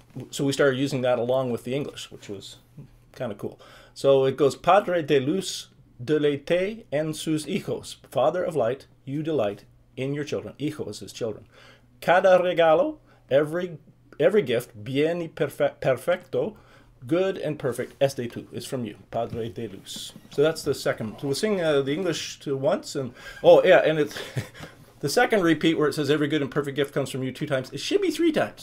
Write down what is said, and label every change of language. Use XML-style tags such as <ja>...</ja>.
<en>So we started using that along with the English, which was kind of cool. So it goes,</en> <es>Padre de luz, deleite en sus hijos.</es> <en>Father of light, you delight in your children. Hijo is his children.</en> <es>Cada regalo,</es> <en>every gift,</en> <es>bien y perfecto,</es> <en>good and perfect,</en> <es>es de tu,</es> <en>is from you,</en> <es>Padre de luz.</es> <en>So that's the second. So we'll sing the English to once, and oh yeah, and it's the second repeat where it says every good and perfect gift comes from you two times. It should be three times.</en>